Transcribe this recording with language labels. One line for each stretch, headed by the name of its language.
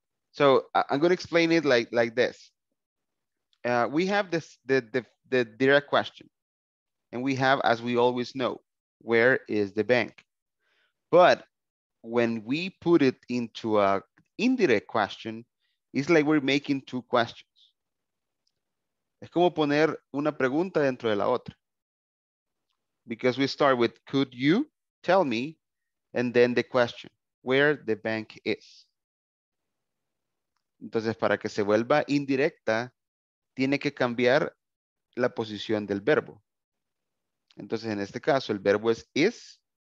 English: So I'm going to explain it like this. We have this the direct question. And we have, as we always know, where is the bank? But when we put it into an indirect question, it's like we're making two questions.
Spanish: Es como poner una pregunta dentro de la otra.
English: Because we start with, could you tell me? And then the question, where the bank is.
Spanish: Entonces, para que se vuelva indirecta, tiene que cambiar la posición del verbo. Entonces, en este caso, el verbo es is.